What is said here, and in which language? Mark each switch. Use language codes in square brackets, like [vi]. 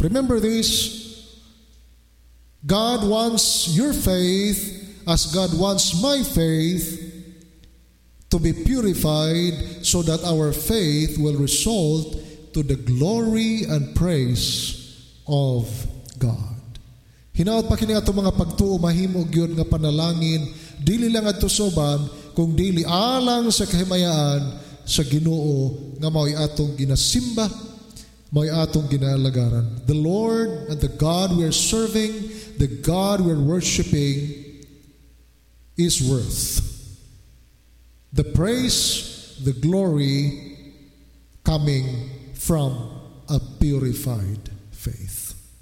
[en] Remember this. God wants your faith, as God wants my faith, to be purified so that our faith will result to the glory and praise of God. [ceb] Hinaot pa kini ato mga pagtuo, mahimo gyud nga panalangin, dili lang ato soban, kung dili alang sa kahimayaan sa Ginoo nga mao'y atong ginasimba, mao'y atong ginaalagaran. [en] The Lord and the God we are serving, the God we're worshiping, is worth the praise, the glory coming from a purified faith.